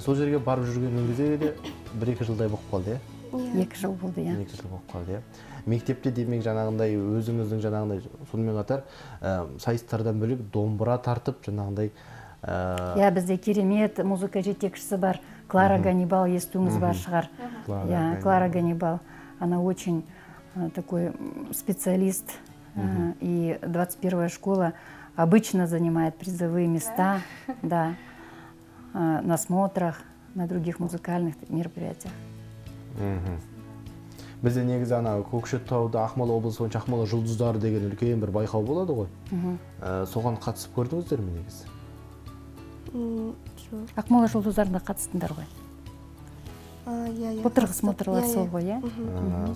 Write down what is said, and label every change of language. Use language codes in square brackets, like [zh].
[kk] Сол жерге барып жүрген кезде 1-2 жылдай болып қалды, иә? 2 жыл болды, иә. 2 жыл болып қалды, иә? Мектепте демек жаңағындай өзіңіздің жаңағындай сонымен қатар сайыстардан бөлек домбыра тартып жаңағындай иә, бізде керемет музыка жетекшісі бар. Клара Ганнибал, естуіңіз бар шығар. Клара Ганнибал. [ru] Она очень такой специалист. И 21-я школа обычно занимает призовые места, да, на смотрах, на других музыкальных мероприятиях. [kk] бізде негізі ана Көкшетауда Ақмола облысы бойынша Ақмола жұлдыздары деген үлкен бір байқау болады ғой. Соған қатысып көрдіңіздер ме негізі? Ақмола жұлдыздарына қатыстыңдар ғой. Бұтырғы-смотырлар сол ғой, иә?